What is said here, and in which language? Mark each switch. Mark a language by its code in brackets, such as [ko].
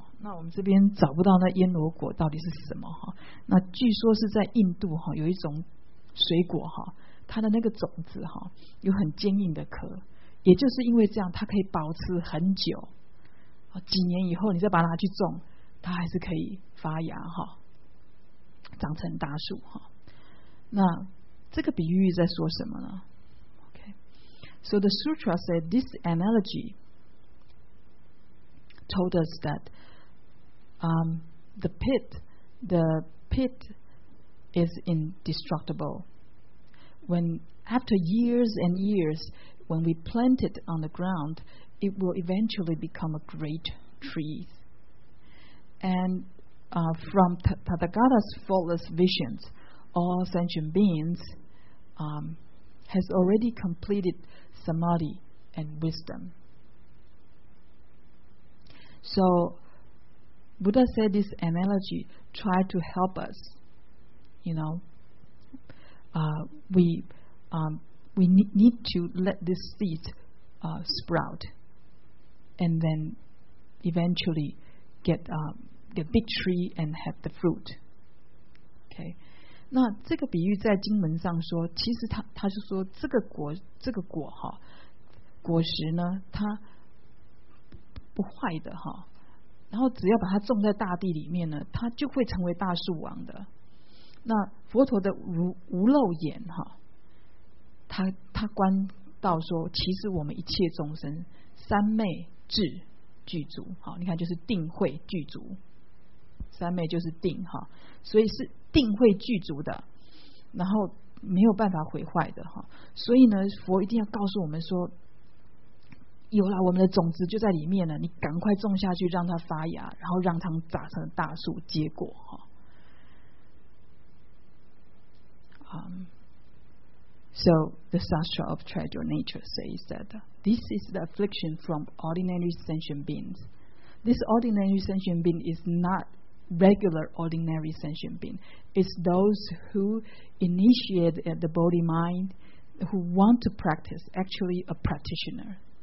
[zh] 那我们这边找不到那阎罗国到底是什么，那据说是在印度有一种水果，它的那个种子有很坚硬的壳，也就是因为这样它可以保持很久，几年以后你再把它去种，它还是可以发芽长成大树。那这个比喻在说什么呢？ [en] So the sutra said this analogy told us that the pit is indestructible. When after years and years, when we plant it on the ground, it will eventually become a great tree. And from Tathagata's faultless visions, all sentient beings has already completed samadhi and wisdom. So Buddha said this analogy tried to help us, you know, we need to let this seed sprout and then eventually get big tree and have the fruit. Okay. [zh] 那这个比喻在经文上说，其实他是说这个果哈，果实呢它不坏的哈，然后只要把它种在大地里面呢，它就会成为大树王的。那佛陀的无漏眼哈，他观到说，其实我们一切众生三昧智具足，好，你看就是定慧具足，三昧就是定哈，所以是。定会具足的，然后没有办法毁坏的，所以呢佛一定要告诉我们说，有了我们的种子就在里面了，你赶快种下去让它发芽，然后让它长成大树结果。 [en] So the sutra of treasure nature says that this is the affliction from ordinary sentient beings. This ordinary sentient being is notregular ordinary sentient being, it's those who initiate the body mind, who want to practice, actually a practitioner.